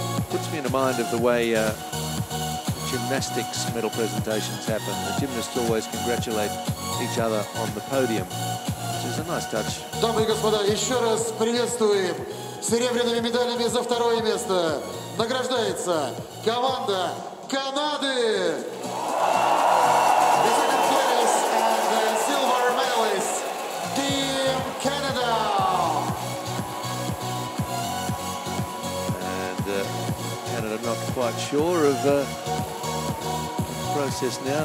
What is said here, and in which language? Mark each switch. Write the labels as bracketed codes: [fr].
[en] Puts me in the mind of the way gymnastics medal presentations happen. The gymnasts always congratulate each other on the podium, which is a nice touch. [ru] Дамы и господа, еще раз приветствуем серебряными медалями за второе место. Награждается команда Канады. [en] The second place and the silver medalist, Team Canada. And Canada not quite sure of process now.